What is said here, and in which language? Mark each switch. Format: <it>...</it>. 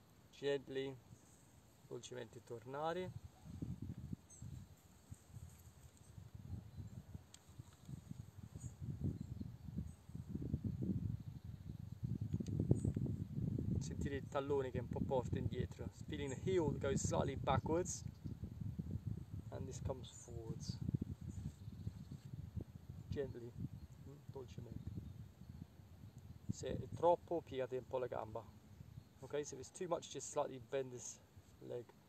<en>Gently,</en> <it>dolcemente tornare. Sentire il tallone che è un po' porto indietro.</it> <en>Feeling the heel goes slightly backwards and this comes forwards. Gently,</en> <it>dolcemente. Se è troppo, piegate un po' la gamba.</it> <en>Okay, so if it's too much, just slightly bend this leg.</en>